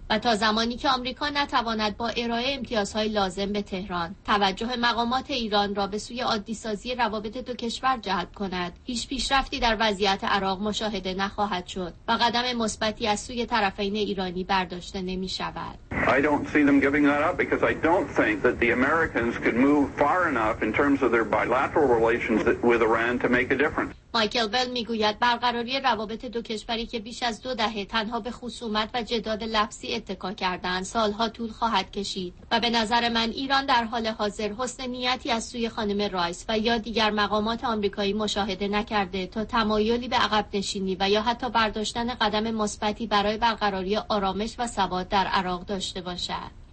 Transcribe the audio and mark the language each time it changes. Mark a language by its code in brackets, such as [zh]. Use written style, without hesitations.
[fa] و تا زمانی که آمریکا نتواند با ارائه امتیازهای لازم به تهران توجه مقامات ایران را به سوی عادی سازی روابط دو کشور جلب کند، هیچ پیشرفتی در وضعیت عراق مشاهده نخواهد شد و قدم مثبتی از سوی طرفین ایرانی برداشته نمی شود. [en] I don't see them giving that up because I don't think that the Americans could move far enough in terms of their bilateral relations with Iran to make a difference. [fa] مایکل بل میگوید برقراری روابط دو کشوری که بیش از دو دهه تنها به خصومت و جدال لفظی اتکا کردند سالها طول خواهد کشید و به نظر من ایران در حال حاضر حسن نیتی از سوی خانم رایس و یا دیگر مقامات آمریکایی مشاهده نکرده تا تمایلی به عقب نشینی و یا حتی برداشتن قدم مثبتی برای برقراری آرامش و ثبات در عراق داشته باشد.